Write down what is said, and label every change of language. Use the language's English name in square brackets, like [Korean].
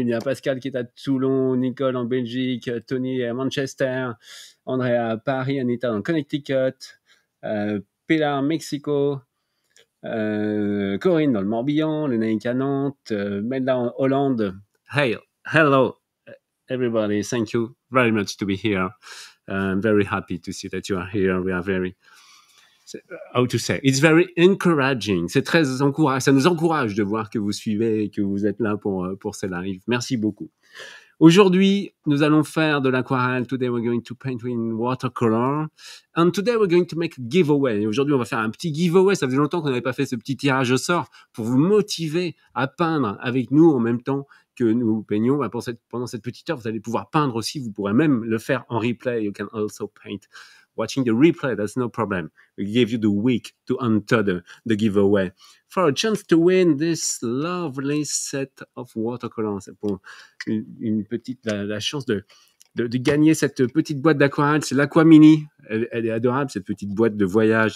[French] Il y a Pascal qui est à Toulon, Nicole en Belgique, Tony à Manchester, Andrea à Paris, Anita en Connecticut, Pilar Mexico, Corinne dans le Morbihan, Lénaïque à Nantes, Melda en Hollande. [English] Hey, hello everybody. Thank you very much to be here. I'm very happy to see that you are here. We are very, how to say, it's very encouraging. [French] C'est très encourageant. Ça nous encourage de voir que vous suivez et que vous êtes là pour ces lives. Merci beaucoup. Aujourd'hui, nous allons faire de l'aquarelle. [English] Today we're going to paint in watercolor. And today we're going to make a giveaway. [French] Aujourd'hui, on va faire un petit giveaway. Ça faisait longtemps qu'on n'avait pas fait ce petit tirage au sort pour vous motiver à peindre avec nous en même temps que nous peignons. Pendant cette petite heure, vous allez pouvoir peindre aussi. Vous pourrez même le faire en replay. [English] You can also paint watching the replay. That's no problem. We give you the week to enter the giveaway for a chance to win this lovely set of watercolors. [French] C'est pour la chance de gagner cette petite boîte d'aquarelle. C'est l'Aqua Mini. Elle est adorable, cette petite boîte de voyage.